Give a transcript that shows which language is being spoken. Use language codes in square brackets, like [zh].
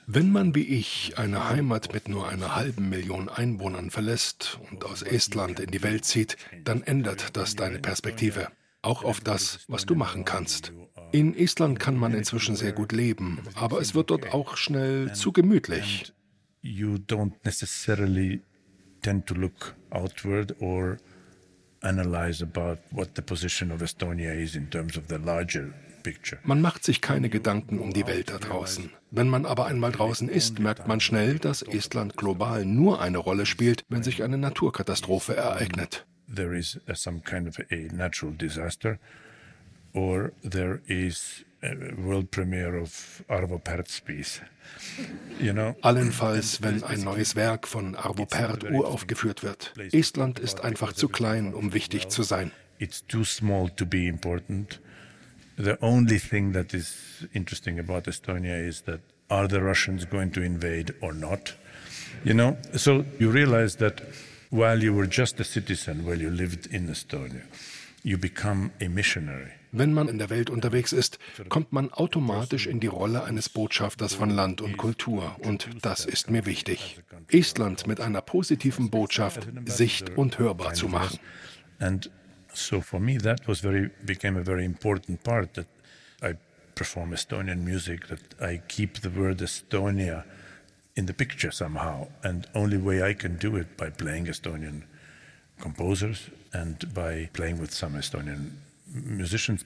[de] Wenn man wie ich eine Heimat mit nur 500.000 Einwohnern verlässt und aus Estland in die Welt zieht, dann ändert das deine Perspektive, auch auf das, was du machen kannst. In Estland kann man inzwischen sehr gut leben, aber es wird dort auch schnell zu gemütlich. [en] You don't necessarily tend to look outward or analyze about what the position of Estonia is in terms of the larger. [de] Man macht sich keine Gedanken um die Welt da draußen. Wenn man aber einmal draußen ist, merkt man schnell, dass Estland global nur eine Rolle spielt, wenn sich eine Naturkatastrophe ereignet. [en] There is some kind of a natural disaster, or there is a world premiere of Arvo Pärt's piece. You know? [de] Allenfalls, wenn ein neues Werk von Arvo Pärt uraufgeführt wird. Estland ist einfach zu klein, um wichtig zu sein. [en] It's too small to be important. The only thing that is interesting about Estonia is that are the Russians going to invade or not? You know, so you realize that while you were just a citizen, while you lived in Estonia, you become a missionary. [de] Wenn man in der Welt unterwegs ist, kommt man automatisch in die Rolle eines Botschafters von Land und Kultur. Und das ist mir wichtig. Estland mit einer positiven Botschaft sicht- und hörbar zu machen. [en] And so for me that was became a very important part, that I perform Estonian music, that I keep the word Estonia in the picture somehow, and only way I can do it by playing Estonian composers and by playing with some Estonian musicians.